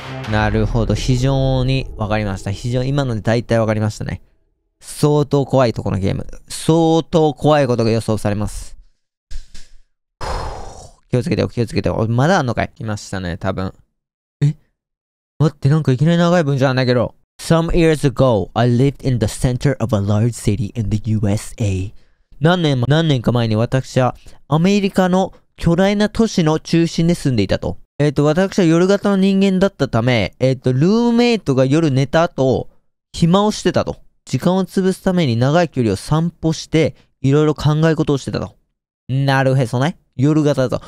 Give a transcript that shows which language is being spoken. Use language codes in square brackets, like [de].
[ja] なるほど、非常にわかりました。非常に今ので大体わかりましたね。相当怖いとこのゲーム。相当怖いことが予想されます。気をつけてよ。まだあんのかい？来ましたね、多分。え？待って、なんかいきなり長い文章なんだけど。 [en] Some years ago, I lived in the center of a large city in the USA. [ja] 何年か前に私はアメリカの巨大な都市の中心で住んでいたと。私は夜型の人間だったため、ルームメイトが夜寝た後、暇をしてたと。時間を潰すために長い距離を散歩して、いろいろ考え事をしてたと。なるへそね。夜型だぞ。